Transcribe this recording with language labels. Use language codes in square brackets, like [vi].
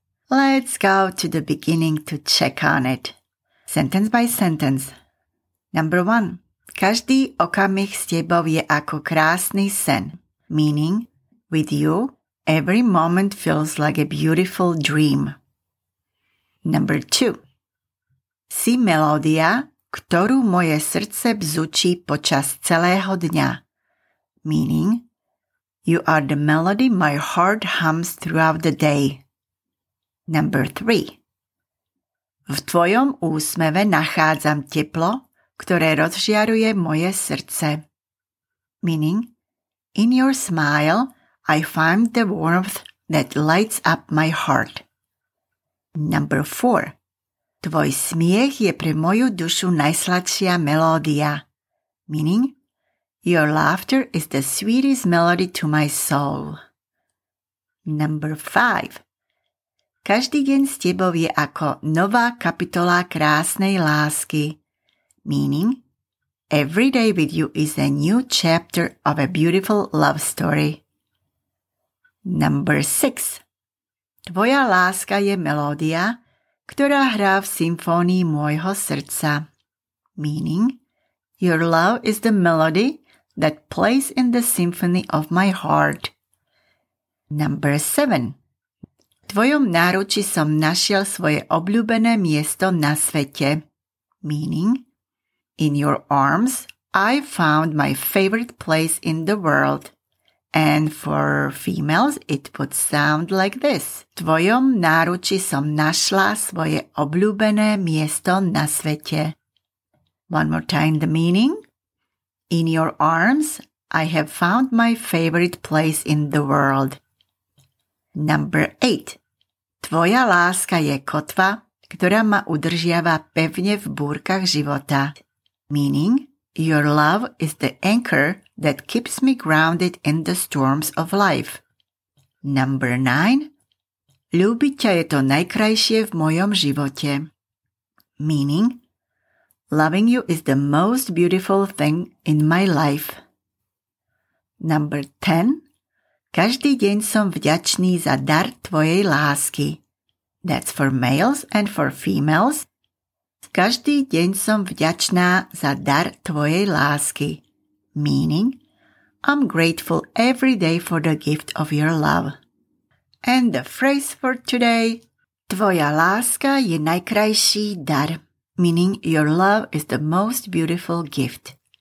[en] Let's go to the beginning to check on it. Sentence by sentence. Number 1. [sk] Každý okamih s tebou je ako krásny sen. [en] Meaning, with you, every moment feels like a beautiful dream. Number 2. [sk] Si melódia, ktorú moje srdce bzučí počas celého dňa. [en] Meaning, you are the melody my heart hums throughout the day. Number 3. [sk] V tvojom úsmeve nachádzam teplo, ktoré rozžiaruje moje srdce. [en] Meaning, in your smile, I find the warmth that lights up my heart. Number 4. [sk] Tvoj smiech je pre moju dušu najsladšia melódia. [en] Meaning, your laughter is the sweetest melody to my soul. Number 5. [sk] Každý deň s tebou je ako nová kapitola krásnej lásky. [en] Meaning, every day with you is a new chapter of a beautiful love story. Number 6. [sk] Tvoja láska je melódia, ktorá hrá v symfónii môjho srdca. [en] Meaning, your love is the melody that plays in the symphony of my heart. Number 7. [sk] V tvojom náruči som našiel svoje obľúbené miesto na svete. [en] Meaning, in your arms, I found my favorite place in the world. And for females, it would sound like this. [sk] V tvojom náruči som našla svoje obľúbené miesto na svete. [en] One more time the meaning. In your arms, I have found my favorite place in the world. Number 8. [sk] Tvoja láska je kotva, ktorá ma udržiava pevne v búrkach života. [en] Meaning, your love is the anchor that keeps me grounded in the storms of life. Number 9. [sk] Ľúbiť ťa je to najkrajšie v mojom živote. [en] Meaning, loving you is the most beautiful thing in my life. Number 10. [sk] Každý deň som vďačný za dar tvojej lásky. [en] That's for males and for females. [sk] Každý deň som vďačná za dar tvojej lásky. [en] Meaning, I'm grateful every day for the gift of your love. And the phrase for today. [sk] Tvoja láska je najkrajší dar. [en] Meaning, your love is the most beautiful gift.